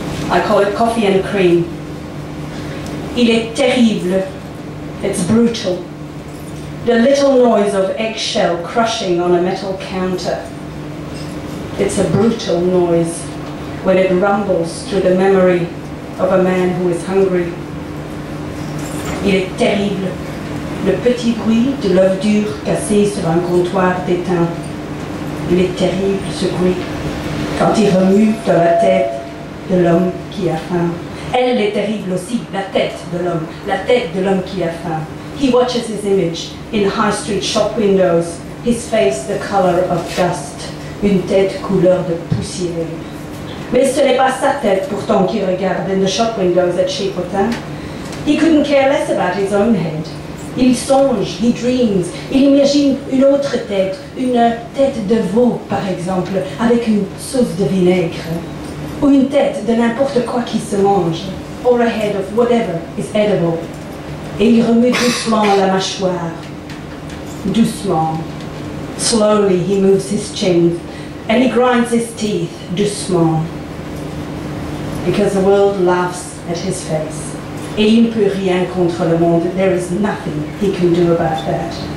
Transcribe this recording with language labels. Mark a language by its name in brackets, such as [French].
[English] I call it Coffee and Cream. [French] Il est terrible. [English] It's brutal. The little noise of eggshell crushing on a metal counter. It's a brutal noise when it rumbles through the memory of a man who is hungry. [French] Il est terrible. Le petit bruit de l'œuf dur cassé sur un comptoir d'étain. Il est terrible ce bruit quand il remue dans la tête de l'homme qui a faim. Elle est terrible aussi, la tête de l'homme, la tête de l'homme qui a faim. [English] He watches his image in high street shop windows, his face the color of dust, [French] une tête couleur de poussière. Mais ce n'est pas sa tête pourtant qu'il regarde [English] in the shop windows at [French] chez Potin. [English] He couldn't care less about his own head. [French] Il songe, [English] he dreams, [French] il imagine une autre tête, une tête de veau, par exemple, avec une sauce de vinaigre. Ou une tête de n'importe quoi qui se mange, [English] or a head of whatever is edible. [French] Et il remue doucement la mâchoire. Doucement. [English] Slowly he moves his chin, and he grinds his teeth, [French] doucement. [English] Because the world laughs at his face. [French] Et il ne peut rien contre le monde. [English] There is nothing he can do about that.